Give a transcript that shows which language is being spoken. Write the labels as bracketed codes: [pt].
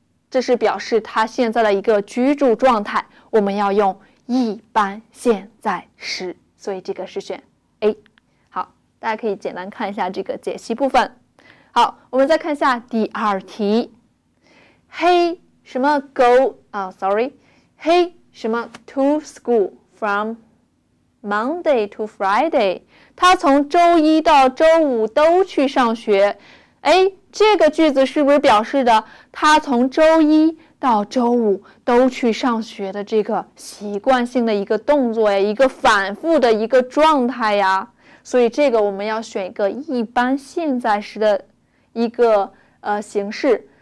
[zh] 这是表示他现在的一个居住状态，我们要用一般现在时，所以这个是选 A。好，大家可以简单看一下这个解析部分。好，我们再看一下第二题。 [en] He 什么 go、oh, sorry He 什么 to school from Monday to Friday, [zh] 他从周一到周五都去上学。哎，这个句子是不是表示的他从周一到周五都去上学的这个习惯性的一个动作呀，一个反复的一个状态呀？所以这个我们要选一个一般现在时的一个形式。